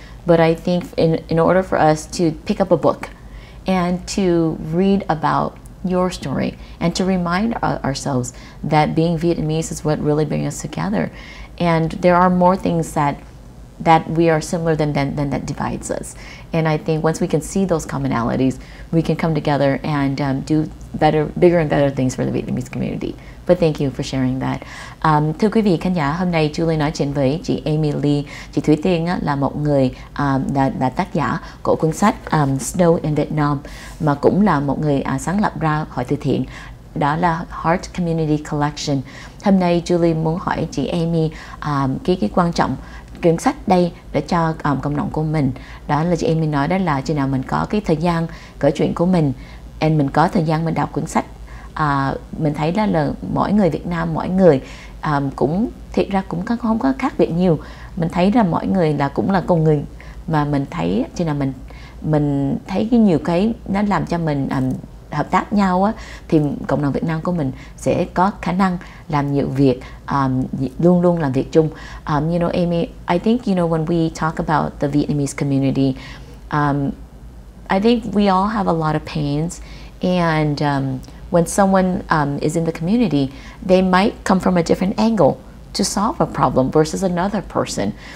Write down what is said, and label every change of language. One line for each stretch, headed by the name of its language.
English: But I think in order for us to pick up a book and to read about your story and to remind ourselves that being Vietnamese is what really brings us together, and there are more things that we are similar than that divides us. And I think once we can see those commonalities, we can come together and do better, bigger and better things for the Vietnamese community. But thank you for sharing that.
Vietnamese: Thưa quý vị khán giả, hôm nay Julie nói chuyện với chị Amy Lee. Chị Thúy Tiên là một người là tác giả của cuốn sách Snow in Vietnam, mà cũng là một người sáng lập ra hội từ thiện, đó là Heart Community Collection. Hôm nay Julie muốn hỏi chị Amy cái quan trọng cuốn sách đây để cho cộng đồng của mình. Đó là chị Amy nói, đó là chừng nào mình có cái thời gian kể chuyện của mình, and mình có thời gian mình đọc cuốn sách, mình thấy là mỗi người Việt Nam, mỗi người cũng thiệt ra cũng không có khác biệt nhiều. Mình thấy là mỗi người là cũng là con người, mà mình thấy chừng nào mình thấy cái nhiều cái nó làm cho mình hợp tác nhau á, thì cộng đồng Việt Nam của mình sẽ có khả năng làm nhiều việc, luôn luôn làm việc chung.
English: You know, Amy, I think, you know, when we talk about the Vietnamese community, I think we all have a lot of pains, and when someone is in the community, they might come from a different angle to solve a problem versus another person.